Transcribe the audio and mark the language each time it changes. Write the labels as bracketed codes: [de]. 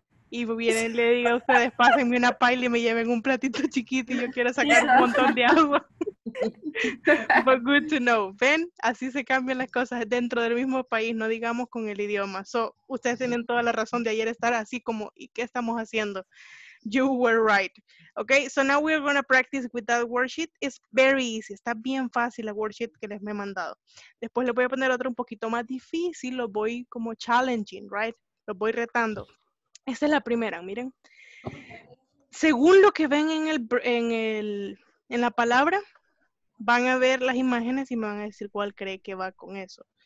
[es] Y vienen, le digo a ustedes, pásenme una paila y me lleven un platito chiquito y yo quiero sacar un montón de agua. [en] But good to know. [es] Ven, así se cambian las cosas dentro del mismo país, no digamos con el idioma. So, ustedes tienen toda la razón de ayer estar así como, ¿y qué estamos haciendo? [en] You were right. Okay, so now we're going to practice with that worksheet. It's very easy. [es] Está bien fácil la worksheet que les me he mandado. Después le voy a poner otro un poquito más difícil. Lo voy como challenging, right? Lo voy retando. Esta es la primera, miren. Según lo que ven en la palabra, van a ver las imágenes y me van a decir cuál cree que va con eso.